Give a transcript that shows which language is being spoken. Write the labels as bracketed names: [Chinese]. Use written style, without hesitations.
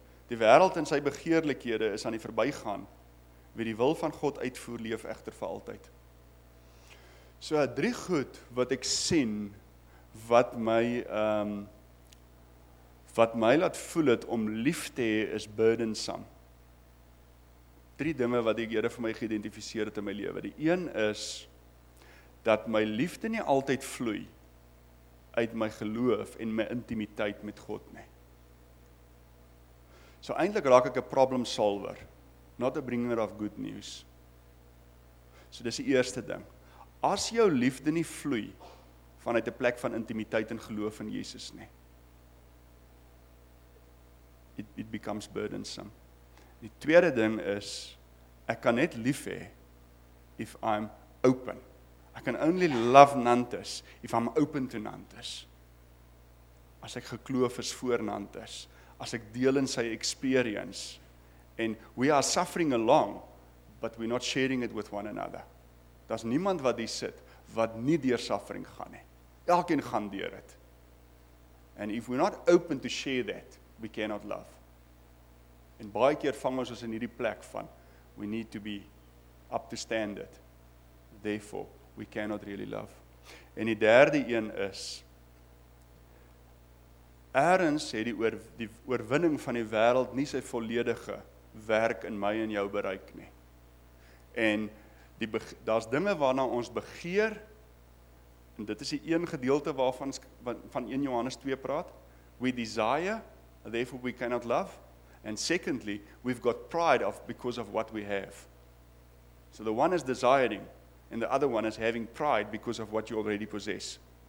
[Afrikaans] Die wêreld en sy begeerlikhede is aan die verbygaan. Wie die wil van God uitvoer, leef egter vir altyd. So, drie goed wat ek sien, wat my laat voel het om lief te hê is burdensome. Drie dinge wat die Here vir my geïdentifiseer het in my lewe. Die een is dat my liefde nie altyd vloei uit my geloof en my intimiteit met God nie. So eintlik raak ek 'n problem solver, [English] not a bringer of good news. [Afrikaans] So dis die eerste ding. As jou liefde nie vloei vanuit 'n plek van intimiteit en geloof in Jesus nie, [English] it becomes burdensome. [Afrikaans] Die tweede ding is, ek kan net lief hê [English] if I'm open. I can only love Nantes if I'm open to Nantes. [Afrikaans] As ek gekloof is voor Nantes, as ek deel in sy experience, [English] and we are suffering along, but we're not sharing it with one another. [Afrikaans] Daar's niemand wat hier sit, wat nie deur suffering gaan nie. Elkeen gaan deur dit. [English] And if we're not open to share that, we cannot love. [Afrikaans] En baie keer vang ons ons in hierdie plek van, [English] we need to be up to standard. Therefore, we cannot really love. [Afrikaans] En die derde een is, ergens het die oorwinning van die wêreld nie sy volledige werk in my en jou bereik nie. En daar's dinge waarna ons begeer, en dit is die een gedeelte waarvan van 1 Johannes 2 praat, [English] we desire, therefore we cannot love. And secondly, we've got pride of because of what we have. So the one is desiring, and the other one is having pride because of what you already possess.